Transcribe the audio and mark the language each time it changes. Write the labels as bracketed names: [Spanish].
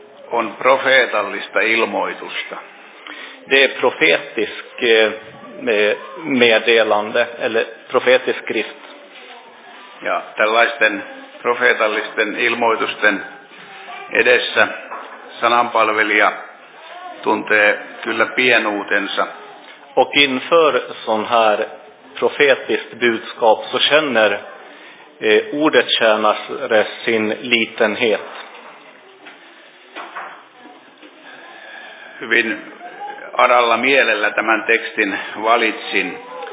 [Finnish] on profeetallista ilmoitusta. [Swedish] Det är profetisk meddelande eller profetisk skrift. [Finnish] Ja tällaisten profeetallisten ilmoitusten edessä sananpalvelija tuntee kyllä pienuutensa. [Swedish] Och inför sån här profetiskt budskap så känner ordet tjänar sin litenhet. [Finnish] Hyvin aralla mielellä tämän tekstin valitsin.